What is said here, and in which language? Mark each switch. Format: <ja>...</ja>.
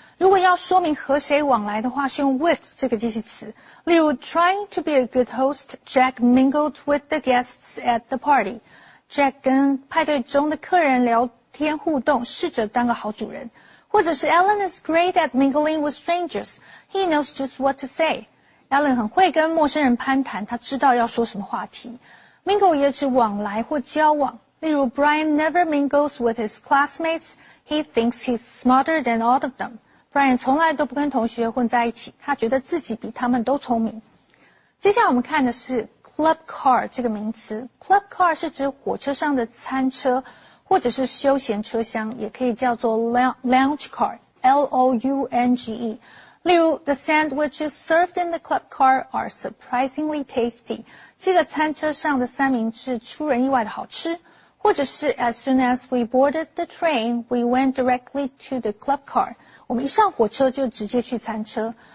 <zh>如果要说明和谁往来的话，是用 with 这个介系词。例如</zh> <en>,trying to be a good host, Jack mingled with the guests at the party.</en> <zh>Jack 跟派对中的客人聊天互动，试着当个好主人。或者是</zh> <en>Alan is great at mingling with strangers. He knows just what to say.</en> <zh>Alan 很会跟陌生人攀谈，他知道要说什么话题。</zh> <en>Mingle</en> <zh>也指往来或交往。例如</zh> <en>,Brian never mingles with his classmates. He thinks he's smarter than all of them.</en> <zh>Brian 从来都不跟同学混在一起，他觉得自己比他们都聪明。接下来我们看的是 club car 这个名词。club car 是指火车上的餐车或者是休闲车厢，也可以叫做 lounge car, L-O-U-N-G-E。例如</zh> <en>,the sandwiches served in the club car are surprisingly tasty.</en> <zh>这个餐车上的三明治出人意外的好吃。或者是</zh> <en>,as soon as we boarded the train, we went directly to the club car.</en> <zh>我们一上火车就直接去餐车。</zh>